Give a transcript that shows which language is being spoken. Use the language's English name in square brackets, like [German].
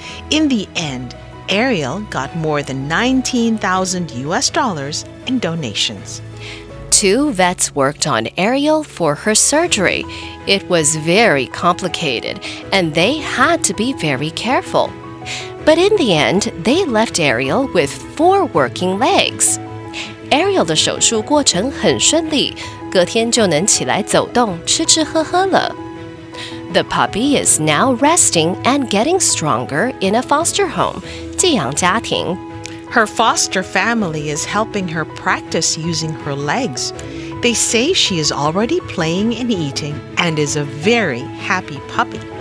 [English] In the end, Ariel got more than $19,000 in donations. two vets worked on Ariel for her surgery. It was very complicated, and they had to be very careful. But in the end, they left Ariel with four working legs. [Chinese] Ariel 的手术过程很顺利，隔天就能起来走动，吃吃喝喝了。 [English] The puppy is now resting and getting stronger in a foster home, 寄养家庭。 Her foster family is helping her practice using her legs. They say she is already playing and eating and is a very happy puppy.